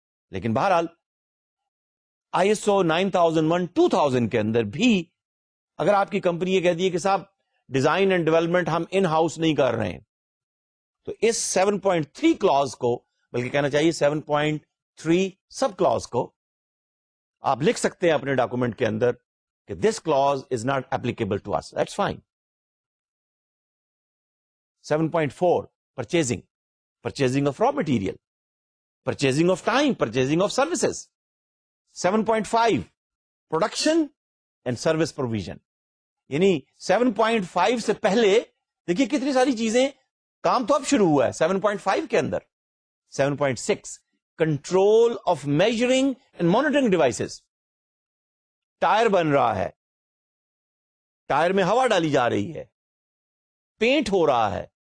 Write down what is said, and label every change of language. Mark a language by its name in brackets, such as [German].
[Urdu] لیکن بہرحال I S O 9001-2000 کے اندر بھی اگر آپ کی کمپنی یہ کہہ دیے کہ صاحب ڈیزائن اینڈ ڈیولپمنٹ ہم ان ہاؤس نہیں کر رہے ہیں، تو اس 7.3 کلاز کو، بلکہ کہنا چاہیے 7.3 سب کلاز کو، آپ لکھ سکتے ہیں اپنے ڈاکومنٹ کے اندر کہ [English] This clause is not applicable to us, that's fine. 7.4 purchasing of raw material, purchasing of time, purchasing of services. [Urdu] 7.5 [English] production and service provision, [Urdu] یعنی 7.5 سے پہلے دیکھیے کتنی ساری چیزیں، کام تو اب شروع ہوا ہے 7.5 کے اندر. 7.6 [English] control of measuring and monitoring devices, [Urdu] tyre بن رہا ہے، ٹائر میں ہوا ڈالی جا رہی ہے، پینٹ ہو رہا ہے،